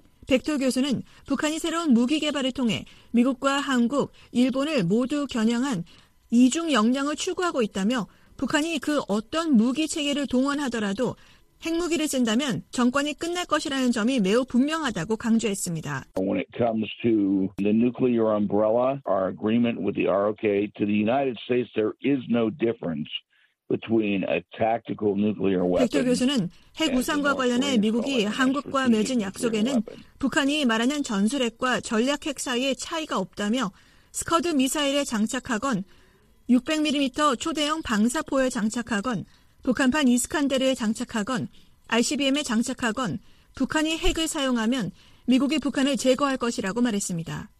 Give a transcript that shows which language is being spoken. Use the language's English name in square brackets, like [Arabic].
[Korean] 백토 교수는 북한이 새로운 무기 개발을 통해 미국과 한국, 일본을 모두 겨냥한 이중 역량을 추구하고 있다며 북한이 그 어떤 무기 체계를 동원하더라도 핵무기를 쓴다면 정권이 끝날 것이라는 점이 매우 분명하다고 강조했습니다. [English] When it comes to the nuclear umbrella, our agreement with the ROK to the United States, there is no difference. [Korean] 백토 교수는 핵 우산과 관련해 미국이 한국과 맺은 약속에는 북한이 말하는 전술핵과 전략핵 사이의 차이가 없다며 스커드 미사일에 장착하건 600mm 초대형 방사포에 장착하건 북한판 이스칸데르에 장착하건 ICBM에 장착하건 북한이 핵을 사용하면 미국이 북한을 제거할 것이라고 말했습니다.